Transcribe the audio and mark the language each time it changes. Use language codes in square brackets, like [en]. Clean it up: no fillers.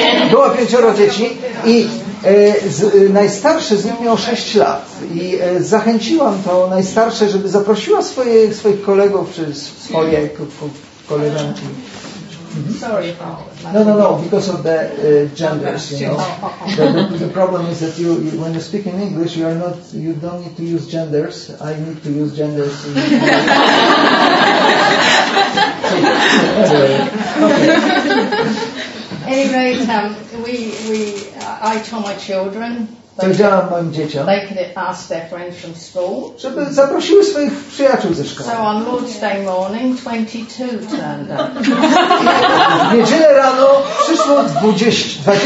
[pl] Było pięcioro dzieci i najstarszy z nią miał 6 lat i zachęciłam to najstarsze, żeby zaprosiła swoich kolegów czy swoje koleżanki. [en] Sorry, no, because of the genders, you know. The problem is that you, when you speak in English, you are not, you don't need to use genders. I need to use genders. In anyway, I told my children. [pl] Powiedziałam moim dzieciom, [en] they could ask their friends from school. [pl] Żeby zaprosiły swoich przyjaciół ze szkoły. [en] So on Lord's Day morning, 22 turned up. [pl] W niedzielę rano przyszło 22 dzieci.